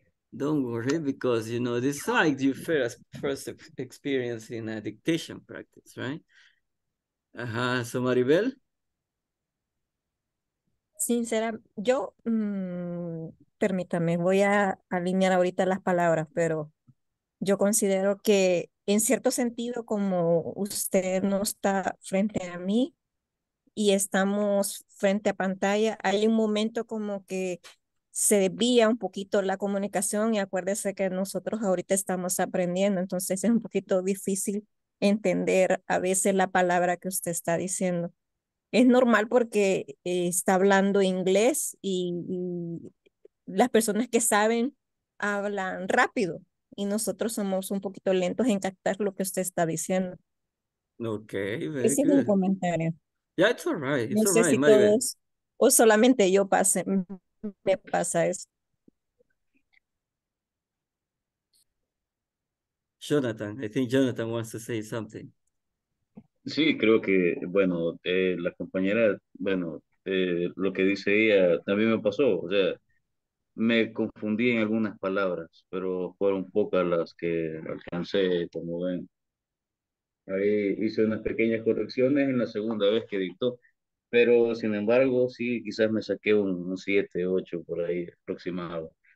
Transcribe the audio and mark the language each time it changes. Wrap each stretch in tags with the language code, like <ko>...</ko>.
<en>Don't worry, because you know this is like your first experience in a dictation practice, right? Uh-huh. So Maribel.</en> <es>Sinceramente, yo permítame, voy a alinear ahorita las palabras, pero yo considero que en cierto sentido, como usted no está frente a mí y estamos frente a pantalla, hay un momento como que se desvía un poquito la comunicación, y acuérdese que nosotros ahorita estamos aprendiendo, entonces es un poquito difícil entender a veces la palabra que usted está diciendo. Es normal porque está hablando inglés y las personas que saben hablan rápido y nosotros somos un poquito lentos en captar lo que usted está diciendo.</es> <en>Okay, very good.</en> <es>Es un comentario.</es> <en>Yeah, it's all right. It's all right, Maribel.</en> <es>O solamente yo pase. Me pasa eso.</es> <en>Jonathan, I think Jonathan wants to say something.</en> <es>Sí, creo que, bueno, la compañera, bueno, lo que dice ella, también me pasó, o sea, me confundí en algunas palabras, pero fueron pocas las que alcancé, como ven. Ahí hice unas pequeñas correcciones en la segunda vez que dictó, pero sin embargo, sí, quizás me saqué un 7, 8 por ahí aproximado.</es>